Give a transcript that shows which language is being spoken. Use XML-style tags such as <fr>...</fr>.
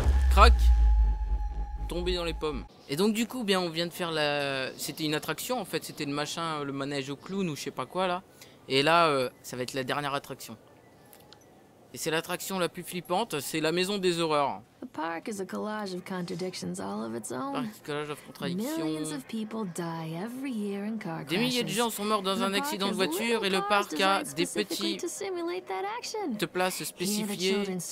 <fr>Crac. Tombé dans les pommes. Et donc, du coup, bien, on vient de faire la. C'était une attraction en fait, c'était le machin, le manège au clown ou je sais pas quoi là. Et là, ça va être la dernière attraction. Et c'est l'attraction la plus flippante, c'est la maison des horreurs.</fr> <en>The park is a collage of contradictions all of its own.</en> <fr>Collage de contradictions.</fr> <en>Millions of people die every year in car crashes.</en> <fr>Des milliers de gens sont morts dans un accident de voiture et le parc a des petits de places spécifiées.</fr>